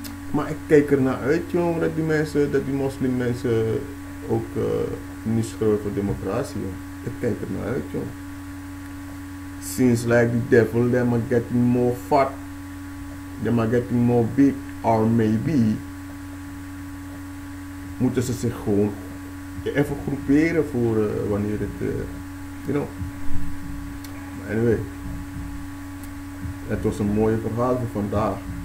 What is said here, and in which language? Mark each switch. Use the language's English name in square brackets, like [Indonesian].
[Dutch] Maar ik kijk er naar uit, jongen, dat die mensen, dat die moslimmensen ook niet schreeuwen voor democratie, jongen. Ik kijk er naar uit, jongen. [English] Seems like the devil, them are getting more fat. Them are getting more big. Or maybe [Dutch] moeten ze zich gewoon even groeperen voor wanneer het, [English] you know. [Dutch] Anyway, het was een mooie verhaal voor vandaag.